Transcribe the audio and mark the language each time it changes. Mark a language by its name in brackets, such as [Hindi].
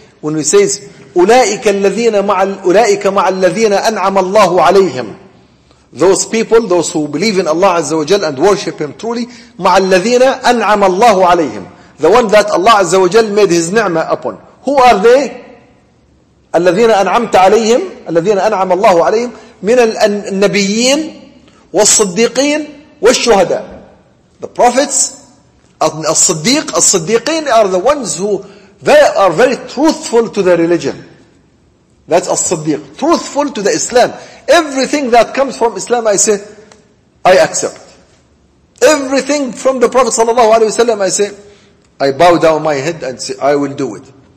[English] When he says, ulaika ma'al ladhina an'ama Allahu alayhim. Those people, those who believe in Allah Azza wa Jal and worship Him truly, ma'al ladhina an'ama Allahu alayhim. The one that Allah Azza wa Jal made His ni'mah upon. Who are they? [Arabic] الذين أنعمت عليهم الذين أنعم الله عليهم من النبيين والصديقين والشهداء. [English] The prophets, الصديقين are the ones who they are very truthful to the religion. That's الصديق, truthful to the Islam. Everything that comes from Islam, I say, I accept. Everything from the Prophet صلى الله عليه وسلم, I say, I bow down my head and say, I will do it.